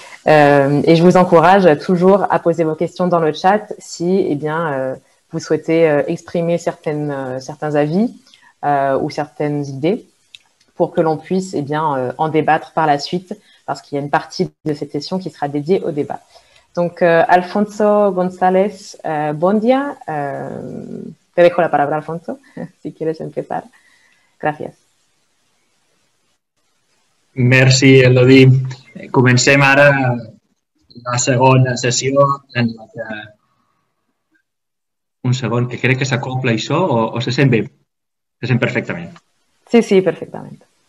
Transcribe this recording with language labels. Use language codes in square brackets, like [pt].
[fr] Et je vous encourage toujours à poser vos questions dans le chat si eh bien, vous souhaitez exprimer certains avis ou certaines idées pour que l'on puisse eh bien, en débattre par la suite, parce qu'il y a une partie de cette session qui sera dédiée au débat. Donc, Alfonso González Bondia. [es] Te dejo la palabra, Alfonso, si quieres empezar. Gracias. [fr] Merci, Elodie. [ca] Comencem ara la segona sessió en la que... Un segon, que crec que s'acopla això o se sent bé? Se sent perfectament. Sí, sí, perfectament.